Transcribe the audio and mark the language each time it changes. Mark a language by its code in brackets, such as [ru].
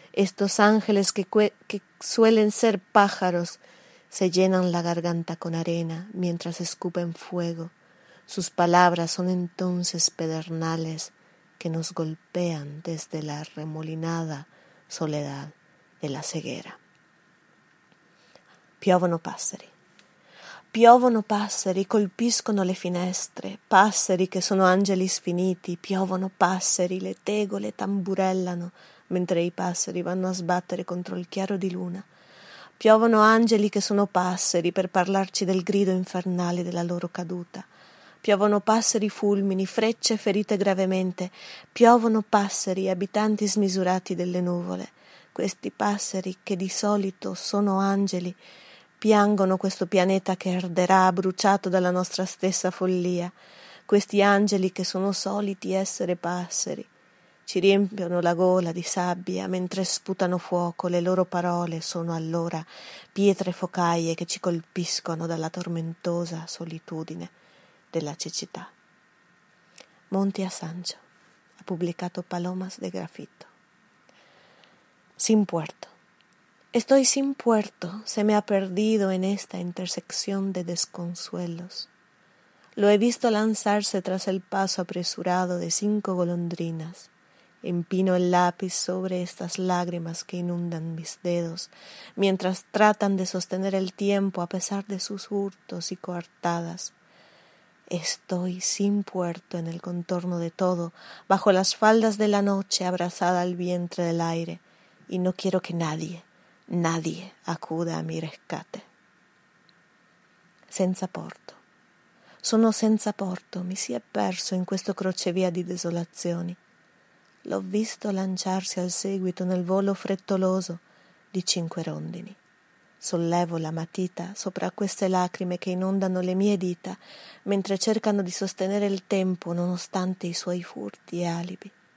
[es] Estos ángeles que suelen ser pájaros se llenan la garganta con arena mientras escupen fuego. Sus palabras son entonces pedernales que nos golpean desde la remolinada soledad de la ceguera. [it] Piovono passeri. Piovono passeri, colpiscono le finestre, passeri che sono angeli sfiniti, piovono passeri, le tegole tamburellano, mentre i passeri vanno a sbattere contro il chiaro di luna. Piovono angeli che sono passeri per parlarci del grido infernale della loro caduta. Piovono passeri fulmini, frecce ferite gravemente, piovono passeri, abitanti smisurati delle nuvole. Questi passeri, che di solito sono angeli, piangono questo pianeta che arderà bruciato dalla nostra stessa follia. questi angeli che sono soliti essere passeri. Ci riempiono la gola di sabbia mentre sputano fuoco, le loro parole sono allora pietre focaie che ci colpiscono dalla tormentosa solitudine della cecità. Monti a Sancho ha pubblicato Palomas de Grafito. [es] Sin puerto. Estoy sin puerto, se me ha perdido en esta intersección de desconsuelos. Lo he visto lanzarse tras el paso apresurado de cinco golondrinas. Empino el lápiz sobre estas lágrimas que inundan mis dedos, mientras tratan de sostener el tiempo a pesar de sus hurtos y coartadas. Estoy sin puerto en el contorno de todo, bajo las faldas de la noche abrazada al vientre del aire, y no quiero que nadie, nadie acuda a mi rescate. [it] Senza porto. Sono senza porto, mi si è perso in questo crocevia di desolazioni. L'ho visto lanciarsi al seguito nel volo frettoloso di cinque rondini. Sollevo la matita sopra queste lacrime che inondano le mie dita mentre cercano di sostenere il tempo nonostante i suoi furti e alibi.